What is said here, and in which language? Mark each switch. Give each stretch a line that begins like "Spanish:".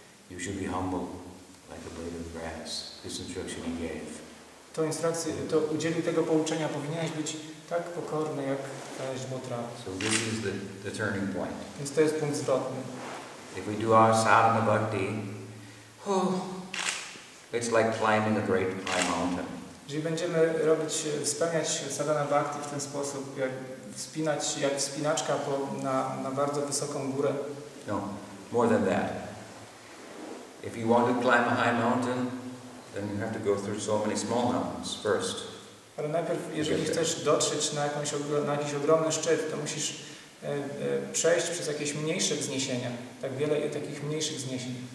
English: You should be humble like a blade of grass. This instruction he gave.
Polish: To instrukcję, to udzielił tego pouczenia, powinieneś być tak pokorny jak ta źdźbło traw.
English: So this is the turning point.
Polish: Więc to jest punkt zwrotny.
English: If we do our sadhana bhakti, it's like climbing a great high mountain.
Polish: Jeżeli będziemy robić, spełniać sadhana bhakti w ten sposób, jak wspinaczka na bardzo wysoką górę.
English: No, more than that. If you want to climb a high mountain, then you have to go through so many small mountains first.
Polish: Ale najpierw, jeżeli chcesz dotrzeć na jakiś ogromny szczyt, to musisz przejść przez jakieś mniejsze wzniesienia. Tak wiele takich mniejszych wzniesień.